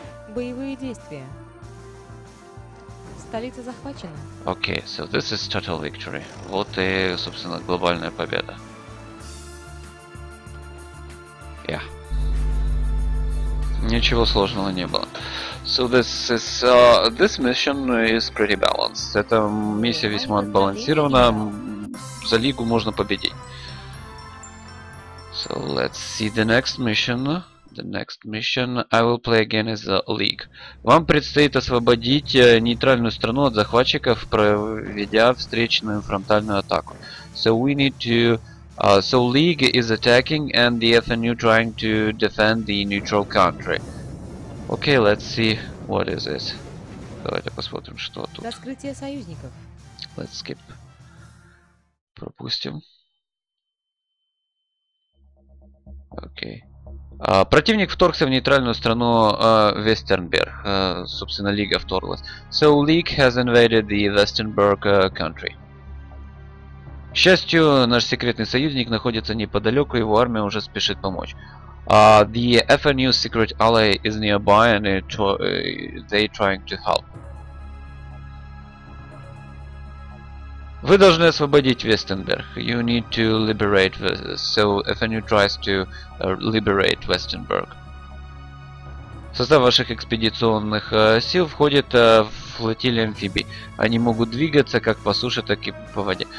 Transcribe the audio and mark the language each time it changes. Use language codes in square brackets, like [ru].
[ru] Боевые действия. Столица захвачена. [en] Окей. So this is total victory. [ru] Вот и, собственно, глобальная победа. [en] Yeah. [ru] Ничего сложного не было. [en] So this is this mission is pretty balanced. [ru] Эта миссия весьма отбалансирована. За лигу можно победить. [en] So let's see the next mission. The next mission I will play again is the league. [ru] Вам предстоит освободить нейтральную страну от захватчиков, проведя встречную фронтальную атаку. [en] So we need to so league is attacking and the FNU trying to defend the neutral country. Окей, let's see what is this. [ru] Давайте посмотрим, что тут. Раскрытие союзников. [en] Let's skip. [ru] Пропустим. Окей. Противник вторгся в нейтральную страну Вестернберг. Собственно, Лига вторглась. [en] So, League has invaded the Vestenberg country. [ru] К счастью, наш секретный союзник находится неподалеку, его армия уже спешит помочь. [en] The FNU secret ally is nearby and they trying to help. [ru] Вы должны освободить Вестенберг. [en] You need to liberate. So FNU tries to liberate Vestenberg. [ru] Состав ваших экспедиционных сил входит флотилия амфибий. Они могут двигаться как по суше, так и по воде.